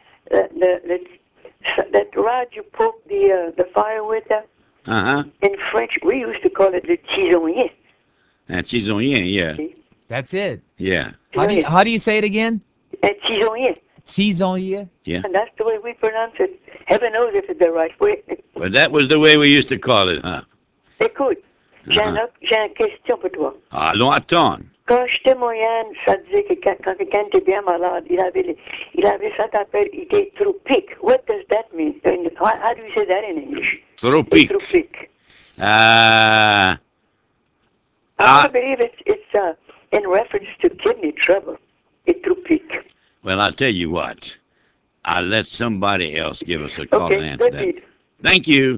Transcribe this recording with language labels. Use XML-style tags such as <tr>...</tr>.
<en>That rod you poke the fire with, in French, we used to call it le tisonnier.</en> <fr>Le tisonnier, yeah.</fr> <en>That's it. Yeah. How do you say it again?</en> <fr>Tisonnier.</fr> <en>Yeah. And that's the way we pronounce it. Heaven knows if it's the right way. But that was the way we used to call it, huh?</en> <fr>Écoute, j'ai une question pour toi. Allons, attends. Quand j'étais moyenne, ça disait que quand quelqu'un était bien malade, il avait ça qu'appelle, il était tropique.</fr> <en>What does that mean? How do you say that in English?</en> <fr>Tropique.</fr> <en>I believe it's in reference to kidney trouble. Well, I'll tell you what. I'll let somebody else give us a call and answer that. Thank you.</en>